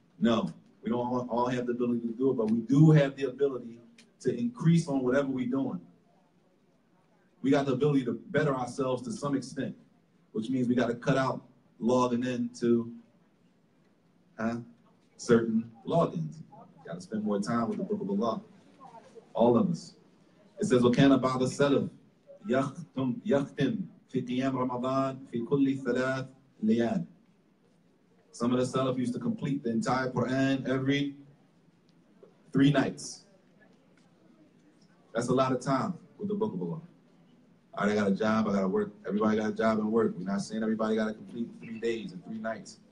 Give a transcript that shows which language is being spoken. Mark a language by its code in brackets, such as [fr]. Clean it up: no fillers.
[en] No, we don't all have the ability to do it, but we do have the ability to increase on whatever we're doing. We got the ability to better ourselves to some extent, which means we got to cut out logging into certain logins. Got to spend more time with the Book of Allah, all of us. It says, [ar] وَكَانَ بَعْدَ السَّلَفْ يَخْتِمْ فِي قِيَامْ رَمَضَانْ فِي كُلِّ ثَلَاثْ. Liyan. [en] Some of the Salaf used to complete the entire Quran every 3 nights. That's a lot of time with the Book of Allah. All right, I got a job, I got to work. Everybody got a job and work. We're not saying everybody got to complete 3 days and 3 nights.